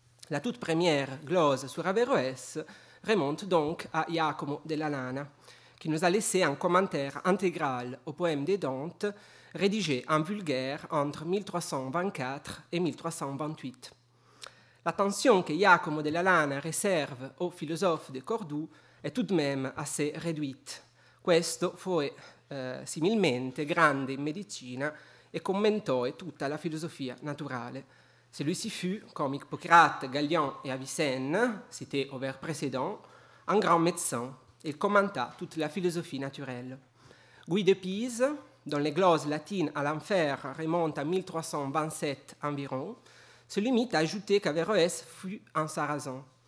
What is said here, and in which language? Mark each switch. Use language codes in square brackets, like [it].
[fr] La toute première glose sur Averroès remonte donc à Giacomo della Lana, qui nous a laissé un commentaire intégral au poème des Dantes, rédigé en vulgaire entre 1324 et 1328. L'attention que Giacomo della Lana réserve au philosophe de Cordoue est tout de même assez réduite. [it] Questo fu similmente grande in medicina e commentò tutta la filosofia naturale. [fr] Celui-ci fut, comme Hippocrate, Galien et Avicenne, cité au vers précédent, un grand médecin. Il commenta toute la philosophie naturelle. Guy de Pise, dont les gloses latines à l'enfer remontent à 1327 environ, se limite à ajouter qu'Averroès fut un sarrasin.